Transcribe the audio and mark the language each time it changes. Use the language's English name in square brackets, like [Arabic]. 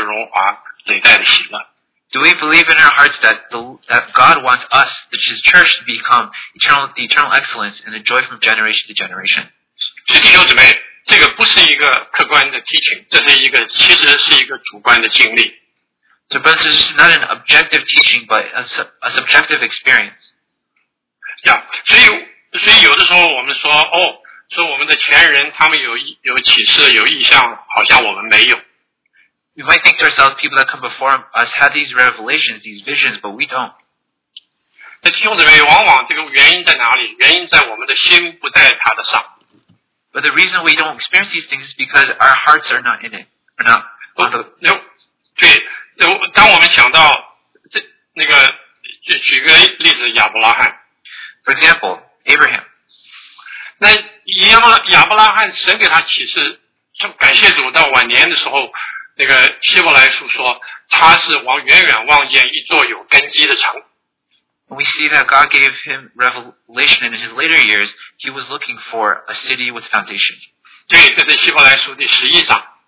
[Chinese] 对，我们是不是会觉得，神要我们的聚会，哈，要我们的聚会成为永远的荣华累代的喜乐？ [English] Do we believe in our hearts that God wants us, which is church, to become eternal, the eternal excellence and the joy from generation to generation? [Chinese] 所以弟兄姊妹，这个不是一个客观的 teaching， 这是一个其实是一个主观的经历。 [English] So brothers, this is not an objective teaching, but a subjective experience. [Chinese] Yeah, 所以有的时候我们说，哦，说我们的前人他们有启示有意象，好像我们没有。 [English] You might think to ourselves, people that come before us had these revelations, these visions, but we don't. [Chinese] 那弟兄姊妹，往往这个原因在哪里？原因在我们的心不在他的上。 [English] But the reason we don't experience these things is because our hearts are not in it, are not on the. [Chinese] No, 对。当我们想到这那个，就举个例子，亚伯拉罕。 [English] For example, Abraham. [Chinese] 那亚伯拉罕神给他启示，就感谢主，到晚年的时候，那个希伯来书说他是往远远望见一座有根基的城。 [English] We see that God gave him revelation in his later years. He was looking for a city with foundation. [Chinese] 对，这是希伯来书第十一章。